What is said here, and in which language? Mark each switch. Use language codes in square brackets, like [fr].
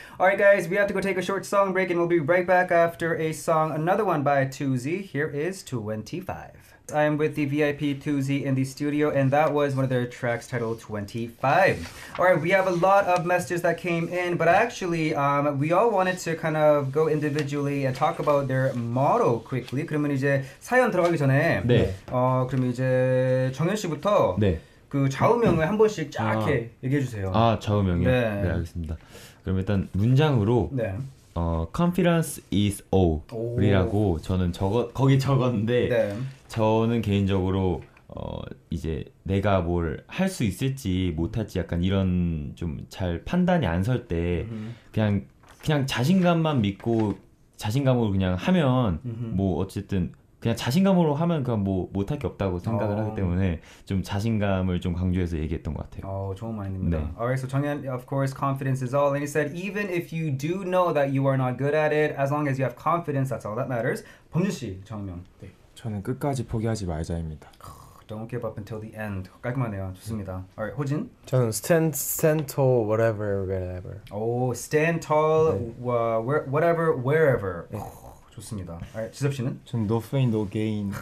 [en] All right, guys, we have to go take a short song break, and we'll be right back after a song, another one by 2Z. Here is 25. I am with the VIP 2Z in the studio, and that was one of their tracks titled 25. All right, we have a lot of messages that came in, but actually, we all wanted to kind of go individually and talk about their motto quickly. [ko] 그러면 이제 사연 들어가기 전에, 네. 그럼 이제 정현 씨부터 네. 그 좌우명을 한 번씩 쫙 이렇게 얘기해 주세요. 아, 좌우명이요? 네. 네, 알겠습니다. 그럼 일단 문장으로. 네. [en] Confidence is all [ko] 이라고 저는 거기 적었는데 네. 저는 개인적으로 이제 내가 뭘 할 수 있을지 못할지 약간 이런 좀 잘 판단이 안 설 때 그냥 자신감만 믿고 자신감으로 그냥 하면 뭐 어쨌든 그냥 자신감으로 하면 그냥 뭐 못할 게 없다고 생각을 하기 때문에 좀 자신감을 좀 강조해서 얘기했던 것 같아요. 좋은 말입니다. 네. [en] Alright, so 정연, of course, confidence is all. And he said, even if you do know that you are not good at it, as long as you have confidence, that's all that matters. [ko] 범준 씨, 정연. 네. 저는 끝까지 포기하지 말자입니다. [en] Don't give up until the end. [ko] 깔끔하네요. 좋습니다. [en] Alright, 호진? [ko] 저는 [en] stand tall, whatever, wherever. Stand tall, [ko] 네. [en] Whatever, wherever. [ko] 네. 좋습니다. 지섭 씨는? [en] 전 no pain, no gain.